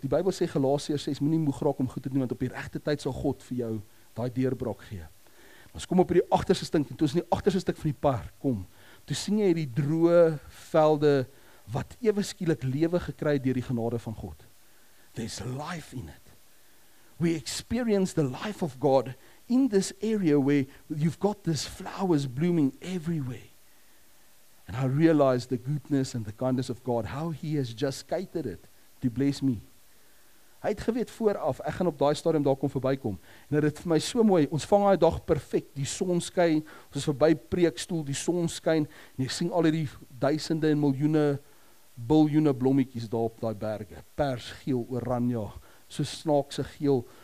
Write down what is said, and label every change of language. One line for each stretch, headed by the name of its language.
Afrikaans: Die Bybel sê, Galasiërs 6, moenie moeg raak om goed te doen, want op die regte tyd sal God vir jou daai deurbraak gee. Ons kom op die agterste stink, en toe ons in die agterste stuk van die park kom, toe sien jy die droë velde wat ewe skielik lewe gekry deur die genade van God.
English: There's life in it. We experience the life of God in this area where you've got these flowers blooming everywhere. And I realize the goodness and the kindness of God, how He has just scattered it to bless me.
Afrikaans: Hy het geweet vooraf, ek gaan op daai stadium daar kom verbykom. En dit het vir my so mooi, ons vang daai dag perfek, die son skyn, ons is verby preekstoel, die son skyn, en jy sien al die duisende en miljoene, biljoene blommetjies daar op daai berge, persgeel, oranje, so snaakse geel.